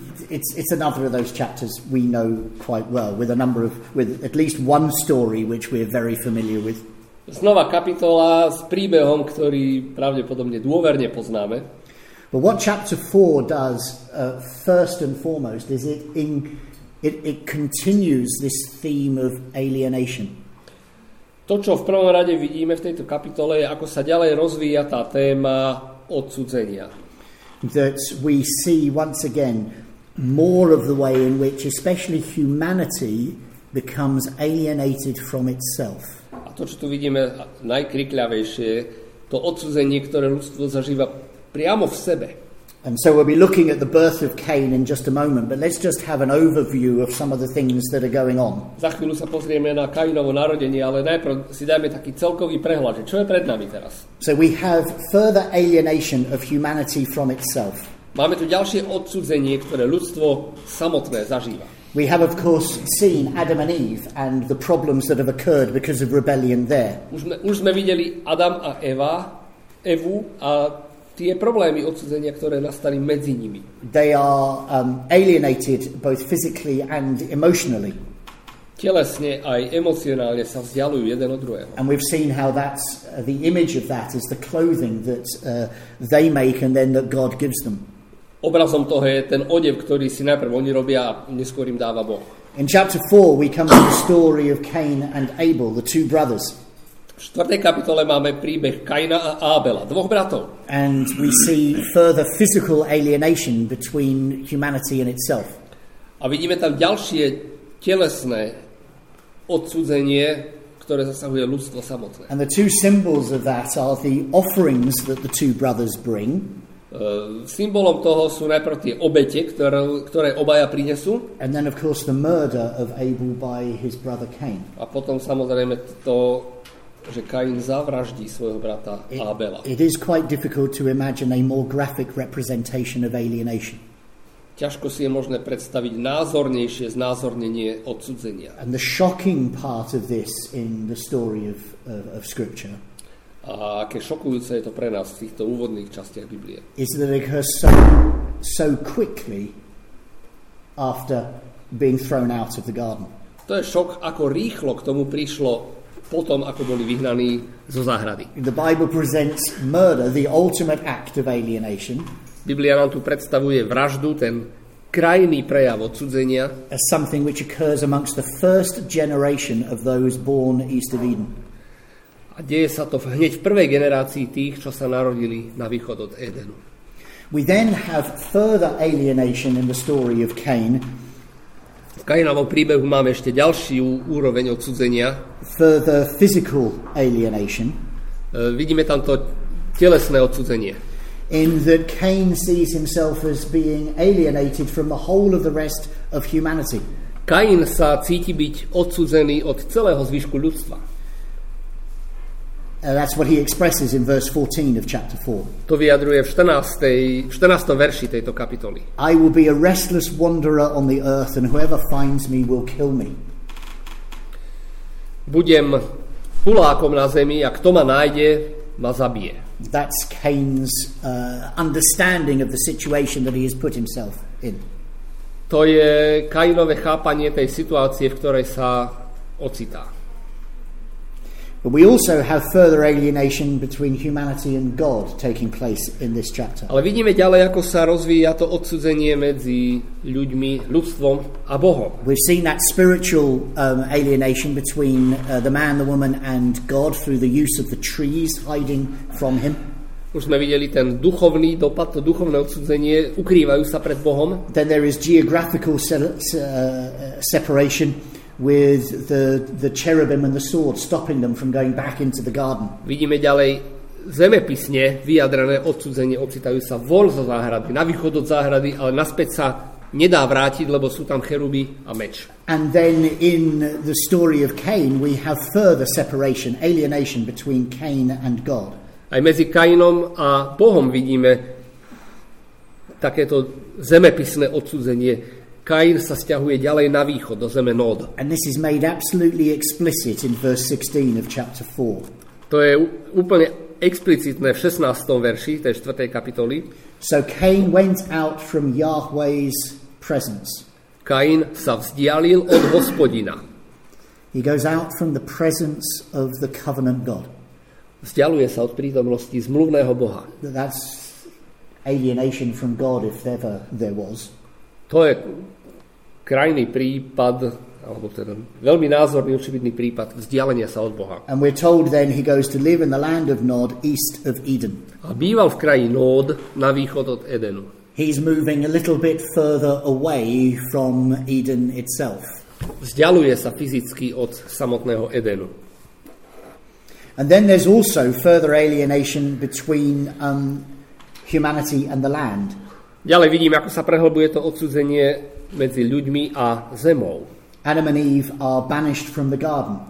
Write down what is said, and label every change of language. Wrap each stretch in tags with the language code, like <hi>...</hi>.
<en>It's another of those chapters we know quite well with a number of with at least one story which we're very familiar with.</en> <sk>Znova kapitola s príbehom, ktorý pravdepodobne dôverne poznáme.</sk> <en>But what chapter 4 does first and foremost is it continues this theme of alienation.</en> <sk>To, čo v prvom rade vidíme v tejto kapitole, je, ako sa ďalej rozvíja tá téma odsudzenia.</sk> <en>That we see once again more of the way in which especially humanity becomes alienated from itself.</en> <sk>A to, čo tu vidíme najkrikľavejšie, to odsúzenie, ktoré ľudstvo zažíva priamo v sebe.</sk> <en>And so we'll be looking at the birth of Cain in just a moment, but let's just have an overview of some of the things that are going on.</en> <sk>Za chvíľu sa pozrieme na Kainovo narodenie, ale najprv si dáme taký celkový prehľad, čo je pred nami teraz.</sk> <en>So we have further alienation of humanity from itself.</en> <sk>Máme tu ďalšie odsúdenie, ktoré ľudstvo samotné zažíva.</sk> <en>We have of course seen Adam and Eve and the problems that have occurred because of rebellion there.</en> <sk>Už sme videli Adam a Evu a tie problémy odsúdenia, ktoré nastali medzi nimi.</sk> <en>They are alienated both physically and emotionally.</en> <sk>Telesne aj emocionálne sa vzdialujú jeden od druhého.</sk> <en>And we've seen how that's the image of that is the clothing that they make and then that God gives them.</en> <sk>Obrazom toho je ten odev, ktorý si najprv oni robia a neskôr im dáva Boh.</sk> <en>In chapter 4 we come to the story of Cain and Abel, the two brothers.</en> <sk>V 4. kapitole máme príbeh Kaina a Abela, dvoch bratov.</sk> <en>And we see further physical alienation between humanity and itself.</en> <sk>A vidíme tam ďalšie telesné odsúdenie, ktoré zasahuje ľudstvo samotné.</sk> <en>And the two symbols of that are the offerings that the two brothers bring.</en> <sk>Symbolom toho sú najprv tie obete, ktoré obaja prinesú.</sk> <en>And then of course the murder of Abel by his brother Cain.</en> <sk>A potom samozrejme to, že Kain zavraždí svojho brata Abela.</sk> <en>It is quite difficult to imagine a more graphic representation of alienation.</en> <sk>Ťažko si je možné predstaviť názornejšie znázornenie odsúdenia.</sk> <en>And the shocking part of this in the story of scripture.</en> <sk>A aké šokujúce je to pre nás v týchto úvodných častiach Biblie.</sk> <en>Is that it occurs so quickly after being thrown out of the garden.</en> <sk>To je šok, ako rýchlo k tomu prišlo potom, ako boli vyhnaní zo záhrady.</sk> <en>The Bible presents murder, the ultimate act of alienation.</en> <sk>Biblia nám tu predstavuje vraždu, ten krajný prejav odsudzenia.</sk> <en>As something which occurs amongst the first generation of those born east of Eden.</en> <sk>A deje sa to hneď v prvej generácii tých, čo sa narodili na východ od Edenu.</sk> <en>We then have further alienation in the story of Cain.</en> <sk>V Kainovom príbehu máme ešte ďalší úroveň odsúdenia.</sk> <en>Further physical alienation.</en> <sk>Vidíme tam to telesné odsúdenie.</sk> <en>In that Cain sees himself as being alienated from the whole of the rest of humanity.</en> <sk>Kain sa cíti byť odsúdený od celého zvyšku ľudstva.</sk> <en>That's what he expresses in verse 14 of chapter 4.</en> <sk>To vyjadruje v 14. verši tejto kapitoly.</sk> <en>I will be a restless wanderer on the earth and whoever finds me will kill me.</en> <sk>Budem hulákom na zemi a kto ma nájde, ma zabije.</sk> <en>That's Cain's understanding of the situation that he has put himself in.</en> <sk>To je Kainové chápanie tej situácie, v ktorej sa ocitá.</sk> <en>But we also have further alienation between humanity and God taking place in this chapter.</en> <sk>Ale vidíme ďalej, ako sa rozvíja to odsúdenie medzi ľuďmi, ľudstvom a Bohom.</sk> <en>We've seen that spiritual alienation between the man, the woman and God through the use of the trees hiding from him.</en> <sk>Už sme videli ten duchovný dopad, to duchovné odsúdenie, ukrývajú sa pred Bohom.</sk> <en>Then there is geographical separation with the cherubim and the sword stopping them from going back into the garden.</en> <sk>Vidíme ďalej zemepisne vyjadrené odsúdenie, ocitajú sa von zo záhrady, na východ od záhrady, ale naspäť sa nedá vrátiť, lebo sú tam cheruby a meč.</sk> <en>And then in the story of Cain we have further separation, alienation between Cain and God.</en> <sk>Aj medzi Kainom a Bohom vidíme takéto zemepisné odsúdenie. Kain sa sťahuje ďalej na východ, do zeme Nod.</sk> <en>And this is made absolutely explicit in verse 16 of chapter 4.</en> <sk>To je úplne explicitné v 16. verši tej 4. kapitoly.</sk> <en>So Cain went out from Yahweh's presence.</en> <sk>Kain sa vzdialil od Hospodina.</sk> <en>He goes out from the presence of the covenant God.</en> <sk>Vzdialuje sa od prítomnosti zmluvného Boha.</sk> <en>That's alienation from God if ever there was.</en> <sk>To je krajný prípad, alebo teda veľmi názorný, očividný prípad vzdialenia sa od Boha.</sk> <en>And we're told then he goes to live in the land of Nod, east of Eden.</en> <sk>A býval v kraji Nod, na východ od Edenu.</sk> <en>He's moving a little bit further away from Eden itself.</en> <sk>vzdialuje sa fyzicky od samotného Edenu.</sk> <en>And then there's also further alienation between humanity and the land.</en> <sk>Ďalej vidím, ako sa prehlbuje to odsúdenie medzi ľuďmi a zemou.</sk> <en>Adam and Eve are banished from the garden.</en>